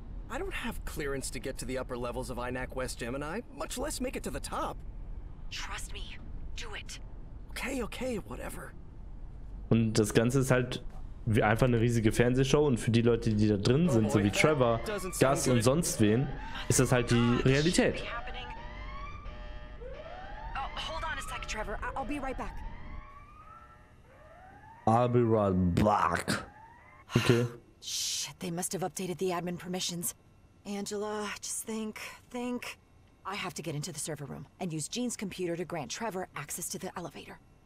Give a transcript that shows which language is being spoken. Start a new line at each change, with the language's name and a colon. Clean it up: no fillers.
English: I don't have clearance to get to the upper levels of INAC West Gemini, much less make it to the top. Trust me, do it. Okay, whatever.
German: Und das Ganze ist halt wie einfach eine riesige Fernsehshow und für die Leute, die da drin sind, so wie Trevor, Gus und sonst wen, ist das halt die Realität.
English: Trevor, I'll be right back. I'll be right back. Okay. Shit, they must have updated the admin permissions. Angela, just think. I have to get into the server room and use Jean's computer to grant Trevor access to the elevator.